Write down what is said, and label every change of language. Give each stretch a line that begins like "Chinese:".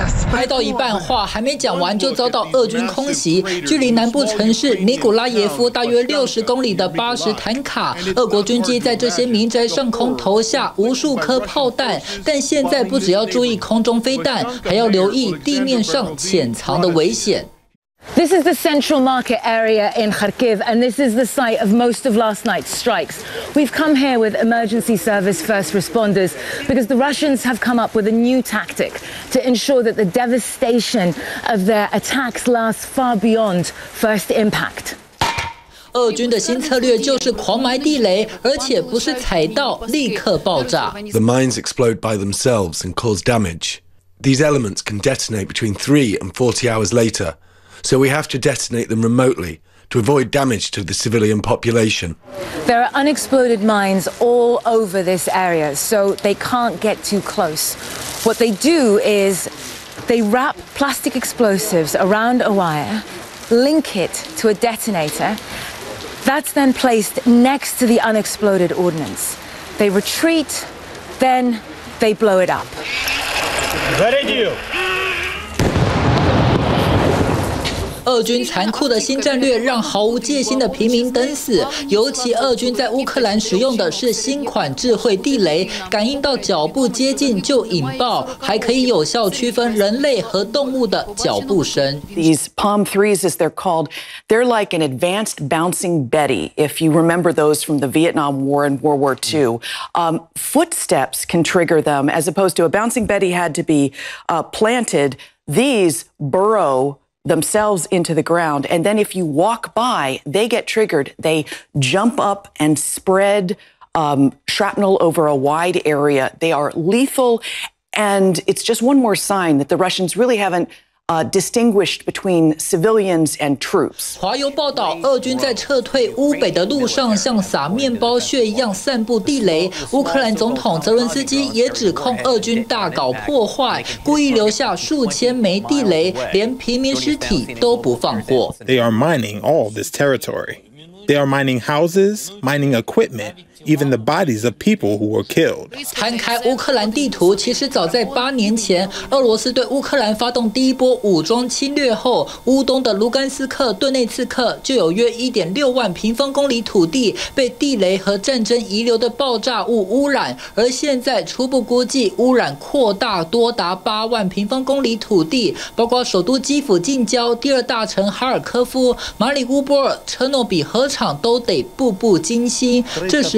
Chinese: 拍到一半话还没讲完就遭到俄军空袭，距离南部城市尼古拉耶夫大约60公里的80坦卡，俄国军机在这些民宅上空投下无数颗炮弹，但现在不只要注意空中飞弹，还要留意地面上潜藏的危险。
English: This is the central market area in Kharkiv, and this is the site of most of last night's strikes. We've come here with emergency service first responders because the Russians have come up with a new tactic to ensure that the devastation of their attacks lasts far beyond first impact.
Chinese: 俄军的新策略就是狂埋地雷，而且不是踩到立刻爆炸。
English: The mines explode by themselves and cause damage. These elements can detonate between 3 and 40 hours later.So we have to detonate them remotely to avoid damage to the civilian population. There are unexploded mines all over this area, so they can't get too close. What they do is they wrap plastic explosives around a wire, link it to a detonator. That's then placed next to the unexploded ordnance. They retreat, then they blow it up. Ready to you.
Chinese: 俄军残酷的新战略让毫无戒心的平民等死，尤其俄军在乌克兰使用的是新款智慧地雷，感应到脚步接近就引爆，还可以有效区分人类和动物的脚步声。
English: These Palm Threes, as they're called, they're like an advanced bouncing Betty. If you remember those from the Vietnam War and World War II, footsteps can trigger them, as opposed to a bouncing Betty had to be planted. These burrow. Themselves into the ground, and then if you walk by, they get triggered. They jump up and spread shrapnel over a wide area. They are lethal, and it's just one more sign that the Russians really haven't. Distinguished between civilians and troops.
Chinese: 华邮报道，俄军在撤退乌北的路上，像撒面包屑一样散布地雷。乌克兰总统泽伦斯基也指控俄军大搞破坏，故意留下数千枚地雷，连平民尸体都不放过。
English: They are mining all this territory. They are mining houses, mining equipment. Even the bodies of people who were killed.
Chinese: 摊开乌克兰地图，其实早在八年前，俄罗斯对乌克兰发动第一波武装侵略后，乌东的卢甘斯克、顿内茨克就有约1.6万平方公里土地被地雷和战争遗留的爆炸物污染，而现在初步估计污染扩大多达8万平方公里土地，包括首都基辅近郊、第二大城哈尔科夫、马里乌波尔、车诺比核厂都得步步惊心。这时。